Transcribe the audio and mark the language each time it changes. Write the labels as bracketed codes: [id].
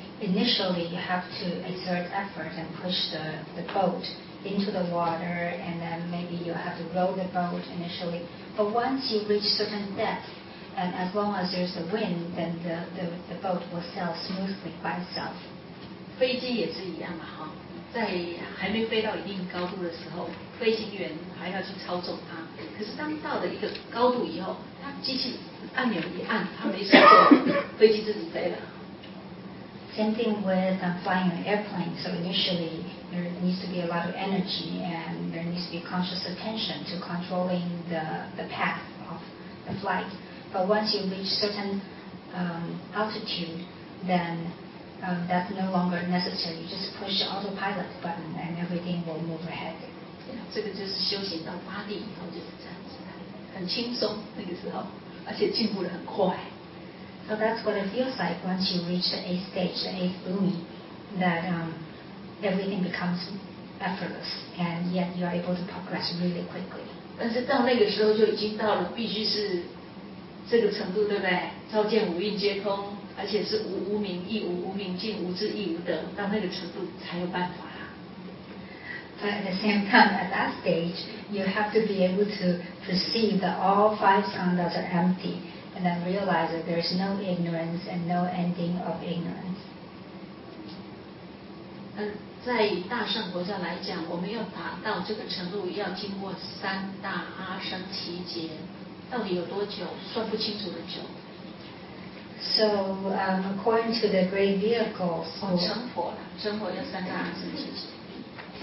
[en] Initially, you have to exert effort and push the boat into the water, and then maybe you have to row the boat initially. But once you reach certain depth, and as long as there's a wind, then the boat will sail smoothly by itself. [zh] 飞机也是一样嘛，在还没飞到一定高度的时候，飞行员还要去操纵它。可是当到了一个高度以后，它机器按钮一按，它没事做，飞机自己飞了。 [en] Same thing with flying an airplane. So initially, there needs to be a lot of energy, and there needs to be conscious attention to controlling the path of the flight. But once you reach certain altitude, then that's no longer necessary. You just push the autopilot button and everything will move ahead. [zh] Yeah, 这个就是修行到八地以后就是这样子，很轻松那个时候，而且进步得很快。 [en] So that's what it feels like once you reach the eighth stage, the eighth bhumi, that everything becomes effortless and yet you are able to progress really quickly. [zh] 但是到那个时候就已经到了必须是这个程度，对不对？照见五蕴皆空，而且是无无明，亦无无明尽，无智亦无德，到那个程度才有办法。 [en] But at the same time, at that stage, you have to be able to perceive that all five skandhas are empty, and then realize that there is no ignorance and no ending of ignorance. [zh] 在大乘佛教来讲，我们要达到这个程度，要经过三大阿僧祇劫，到底有多久，算不清楚的久。 [en] So, according to the Great Vehicle School, [zh] 成佛了，成佛要三大阿僧祇劫。